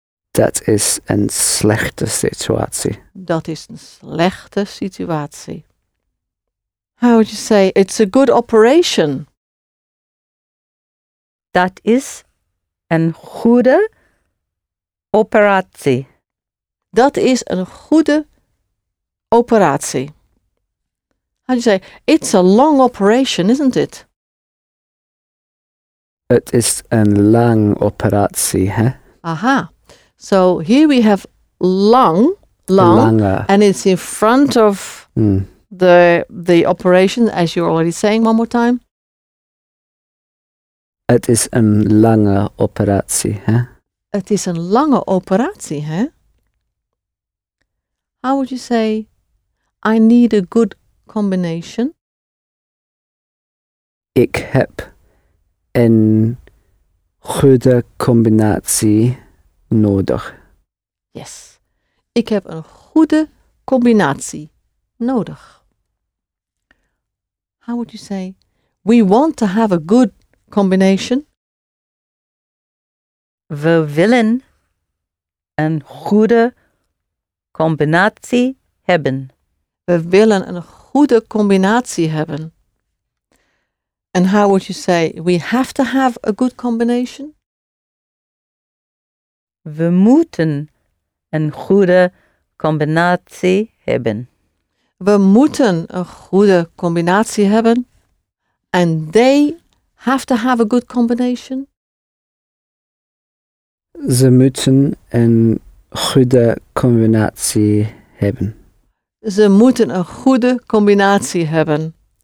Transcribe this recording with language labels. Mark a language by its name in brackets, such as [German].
[Dutch] Dat is een slechte situatie. Dat is een slechte situatie. [English] How would you say it's a good operation? [Dutch] Dat is een goede operatie. Dat is een goede operatie. [English] How do you say? It's a long operation, isn't it? [Dutch] Het is een lang operatie, hè? [English] Aha. So here we have long, long, [Dutch] lange. [English] And it's in front of the operation, as you're already saying one more time. [Dutch] Het is een lange operatie, hè? Het is een lange operatie, hè? [English] How would you say I need a good combination? [Dutch] Ik heb een goede combinatie nodig. [English] Yes. [Dutch] Ik heb een goede combinatie nodig. [English] How would you say we want to have a good combination? [Dutch] We willen een goede combinatie hebben. We willen een goede combinatie hebben. [English] And how would you say we have to have a good combination? [Dutch] We moeten een goede combinatie hebben. We moeten een goede combinatie hebben. [English] And they have to have a good combination? [Dutch] Ze moeten een goede combinatie hebben. Ze moeten een goede combinatie hebben.